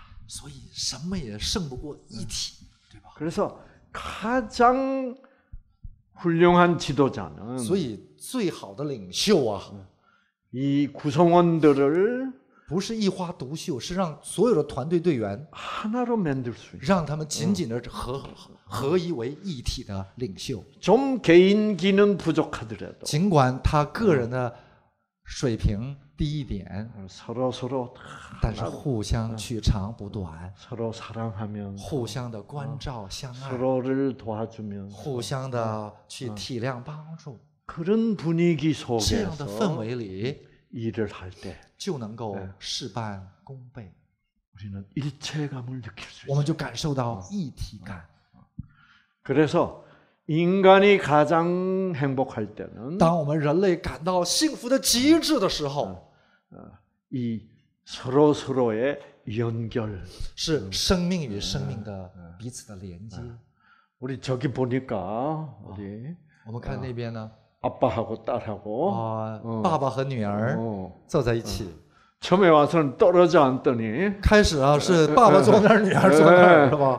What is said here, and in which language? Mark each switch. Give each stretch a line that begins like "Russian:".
Chinese: 所以什么也胜不过一体，对吧?
Korean: 그래서 가장 훌륭한 지도자는
Chinese: 所以最好的领袖啊,
Korean: 이 구성원들을
Chinese: 不是一花独秀，是让所有的团队队员
Korean: 하나로 만들 수 있어.
Chinese: 让他们紧紧的合一为一体的领袖.
Korean: 좀 개인기는 부족하더라도
Chinese: 尽管他个人的水平低一点,
Korean: 서로
Chinese: 但是互相取长补短,
Korean: 서로 사랑하면
Chinese: 互相的关照相爱,
Korean: 서로를 도와주면
Chinese: 互相的去体谅帮助.
Korean: 그런 분위기 속에서
Chinese: 氛围里,
Korean: 일을 할 때
Chinese: 就能够事半功倍.
Korean: 우리는 일체감을 느낄 수 있어요.
Chinese: 我们就感受到一体感.
Korean: 그래서 인간이 가장 행복할 때는
Chinese: 当我们人类感到幸福的极致的时候,
Korean: 이 서로 서로의 연결,
Chinese: 是生命与生命的彼此的连接.
Korean: 우리 저기 보니까 우리
Chinese: 我们看那边呢,
Korean: 아빠하고 딸하고
Chinese: 爸爸和女儿坐在一起.
Korean: 처음에 와서는 떨어져 앉더니
Chinese: 开始啊是爸爸坐那儿女儿坐那儿是吧